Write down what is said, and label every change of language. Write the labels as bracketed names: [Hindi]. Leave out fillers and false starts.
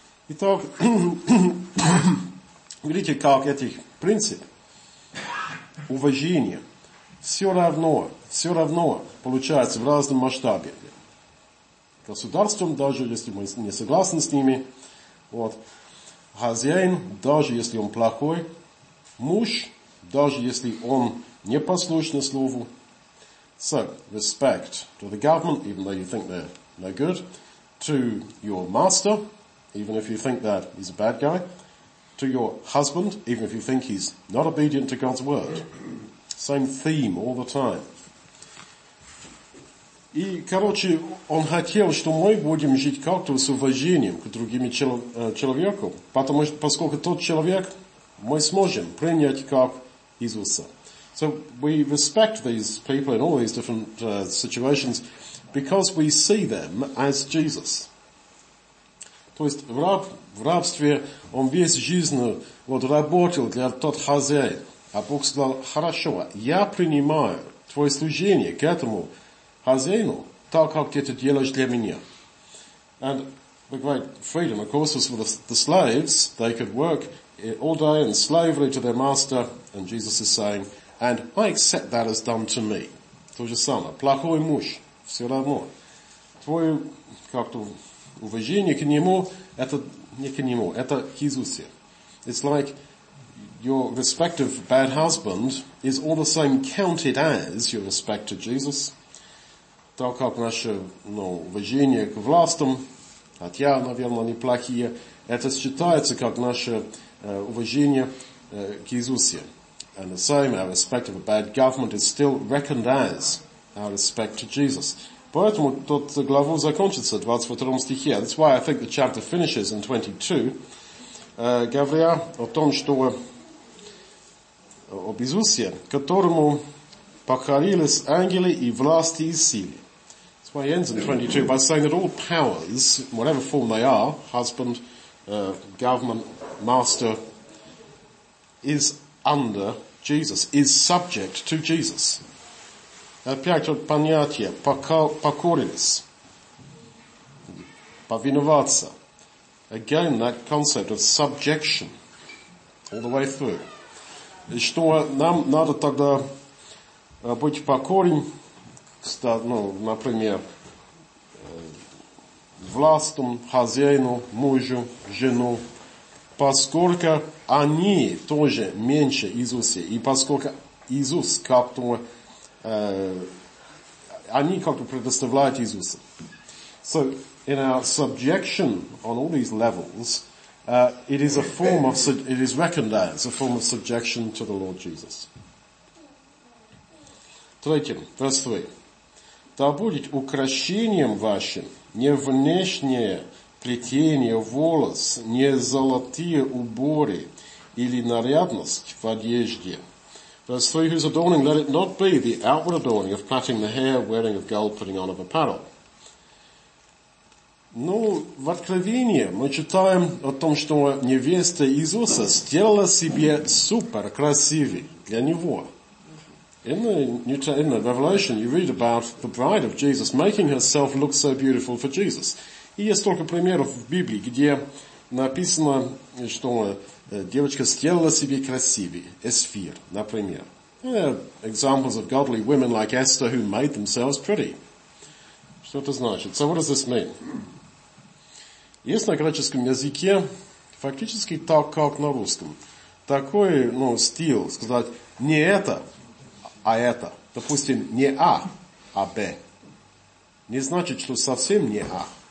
[Russian] Итак, видите, как этих принцип уважения все равно получается в разном масштабе. Государством, даже если мы не согласны с ними, вот, хозяин, даже если он плохой, муж, даже если он не послушен слову. [English] So, respect to the government, even though you think they're no good, to your master, even if you think that he's a bad guy, to your husband, even if you think he's not obedient to God's word. Same theme all the time. [Russian] И, короче, он хотел, что мы будем жить как-то с уважением к другим человеку, потому что, поскольку тот человек, мы сможем принять как Иисуса. [English] So we respect these people in all these different situations because we see them as Jesus. [Russian] То есть в рабстве он весь жизнь вот работал для тот хозяин. А Бог сказал, хорошо, я принимаю твое служение к этому хозяину, так как ты это делаешь для меня. [English] And the great freedom, of course, was for the slaves. They could work all day in slavery to their master, and Jesus is saying, and I accept that as done to me. [Russian] То же самое. Плохой муж. Все равно. Твое как-то уважение к нему, это не к нему, это к Иисусе. [English] It's like your respective bad husband is all the same counted as your respect to Jesus. [Russian] Так как наше уважение к властям, хотя, наверное, они плохие, это считается как наше уважение к Иисусе. [English] And the same, our respect of a bad government is still reckoned as our respect to Jesus. [Russian] Поэтому тот главу закончится в 22 стихе. [English] That's why I think the chapter finishes in 22, [Russian] говоря о том, что об Иисусе, которому покорились ангелы и власти и силы. [English] That's why he ends in 22 by saying that all powers, whatever form they are, husband, government, master, is under Jesus, is subject to Jesus. [Russian] Опять понятие покорились, повиноваться. [English] Again, that concept of subjection all the way through. [Russian] И что нам надо тогда быть покорен, например, властям, хозяину, мужу, жену, поскольку они тоже меньше Иисуса, и поскольку Иисус, както они как-то предоставляют Иисуса. [English] So, in our subjection on all these levels, it is reckoned as a form of subjection to the Lord Jesus. [Russian] Третье, [English] verse 3. [Russian] Да будет украшением вашим не внешнее плетение волос, не золотые уборы или нарядность в одежде. [English] Verse 3, whose adorning let it not be the outward adorning of plaiting the hair, wearing of gold, putting on of apparel. [Russian] Ну, в Откровении мы читаем о том, что невеста Иисуса сделала себе супер красивый для Него. [English] In the Revelation, you read about the bride of Jesus making herself look so beautiful for Jesus. [Russian] И есть только примеров в Библии, где написано, что девочка сделала себе красивый, Эсфир, например. [English] Examples of godly women like Esther who made themselves pretty. [Russian] Что это значит? [English] So what does this mean? [Russian] Есть на греческом языке фактически так, как на русском. Такой, ну, стиль, сказать, не это, а это. Допустим, не А, а Б. Не значит, что совсем не А.